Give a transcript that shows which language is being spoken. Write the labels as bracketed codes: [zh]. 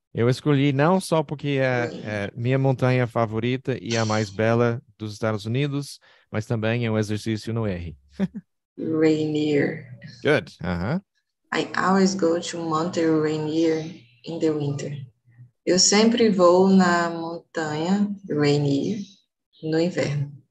[pt] Eu escolhi não só porque é minha montanha favorita e a mais bela dos Estados Unidos, mas também é um exercício no R. [en] Rainier. Good. Uh-huh. I always go to Monterey in the winter. [pt] Eu sempre vou na montanha Rainier no inverno.